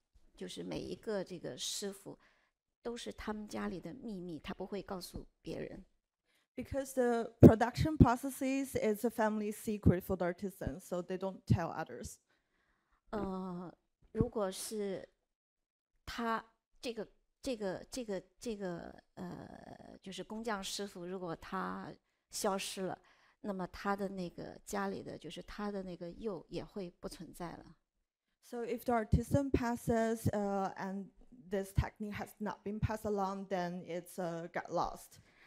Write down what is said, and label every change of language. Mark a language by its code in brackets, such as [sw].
[zh] 因为那个釉色，每一个这个师傅。 [en] Because the production processes is a family secret for the artisans, so they don't tell others. [zh] 如果是他这个工匠师傅，如果他消失了，那么他的那个家里的就是他的那个釉也会不存在了。 [en] So if the artisan passes and this technique has not been passed along, then it's got lost.